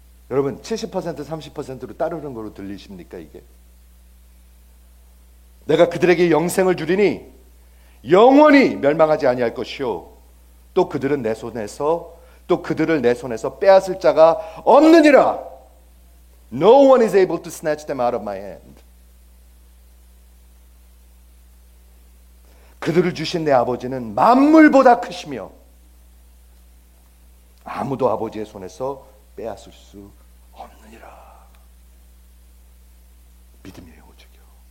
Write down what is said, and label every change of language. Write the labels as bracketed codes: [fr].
[ko] 여러분 70% 30%로 따르는 거로 들리십니까 이게? 내가 그들에게 영생을 주리니 영원히 멸망하지 아니할 것이요 또 그들은 내 손에서 또 그들을 내 손에서 빼앗을 자가 없느니라. [en] No one is able to snatch them out of my hand. [ko] 그들을 주신 내 아버지는 만물보다 크시며 아무도 아버지의 손에서 빼앗을 수 없느니라. 믿음이에요, 오직요.